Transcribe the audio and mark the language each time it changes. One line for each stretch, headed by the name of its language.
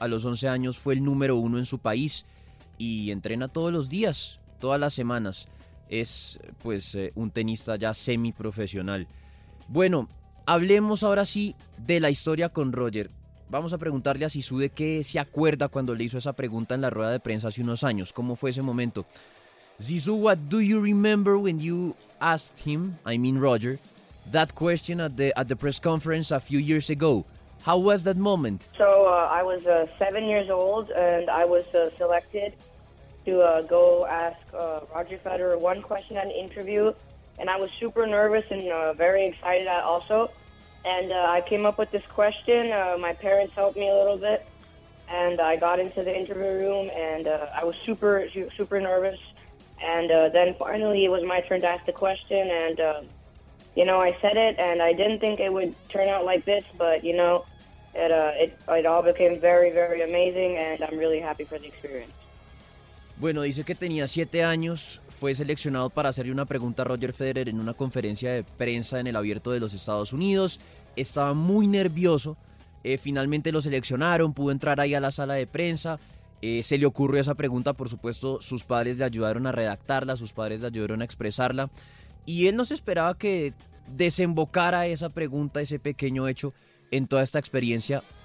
Spanish: A los 11 años fue el número uno en su país y entrena todos los días, todas las semanas. Es, pues, un tenista ya semiprofesional. Bueno, hablemos ahora sí de la historia con Roger. Vamos a preguntarle a Sisu de qué se acuerda cuando le hizo esa pregunta en la rueda de prensa hace unos años. ¿Cómo fue ese momento?
English: Sisu, what do you remember when you asked him, I mean Roger, that question at the press conference a few years ago? How was that moment? So I was 7 years old and I was selected to go ask Roger Federer one question at an interview. And I was super nervous and very excited also. And I came up with this question, my parents helped me a little bit, and I got into the interview room, and I was super, super nervous, and then finally it was my turn to ask the question, and, you know, I said it, and I didn't think it would turn out like this, but, you know, it all became very, very amazing, and I'm really happy for the experience.
Spanish: Bueno, dice que tenía 7 años, fue seleccionado para hacerle una pregunta a Roger Federer en una conferencia de prensa en el Abierto de los Estados Unidos. Estaba muy nervioso, finalmente lo seleccionaron, pudo entrar ahí a la sala de prensa, se le ocurrió esa pregunta, por supuesto, sus padres le ayudaron a redactarla, sus padres le ayudaron a expresarla, y él no se esperaba que desembocara esa pregunta, ese pequeño hecho, en toda esta experiencia.